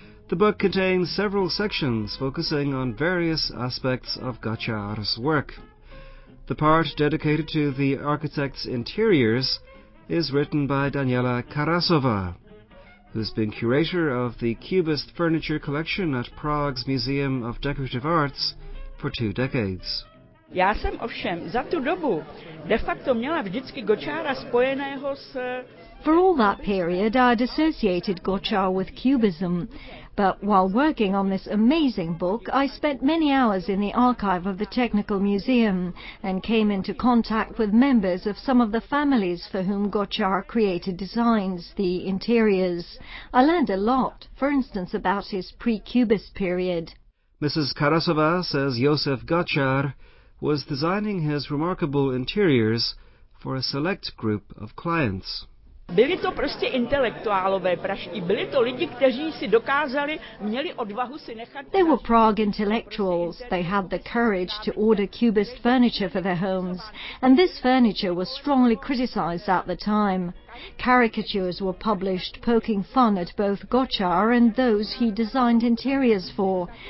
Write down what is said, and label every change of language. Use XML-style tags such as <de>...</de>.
<en>The book contains several sections focusing on various aspects of Gočar's work. The part dedicated to the architect's interiors is written by Daniela Karasová, who's been curator of the Cubist furniture collection at Prague's Museum of Decorative Arts for 2 decades.</en> <cs>Já jsem ovšem za tu dobu de facto měla vždycky Gočára spojeného s...</cs> <en>For all that period, I'd associated Gočar with Cubism. But while working on this amazing book, I spent many hours in the archive of the Technical Museum and came into contact with members of some of the families for whom Gočar created designs, the interiors. I learned a lot, for instance, about his pre-Cubist period. Mrs. Karasová says Josef Gočar was designing his remarkable interiors for a select group of clients.</en> <cs>Byli to prostě intelektuálové pražští, byli to lidi, kteří si dokázali, měli odvahu si nechat.</cs> <en>They were Prague intellectuals. They had the courage to order cubist furniture for their homes, and this furniture was strongly criticized at the time. Caricatures were published poking fun at both Gočar and those he designed interiors for.</en>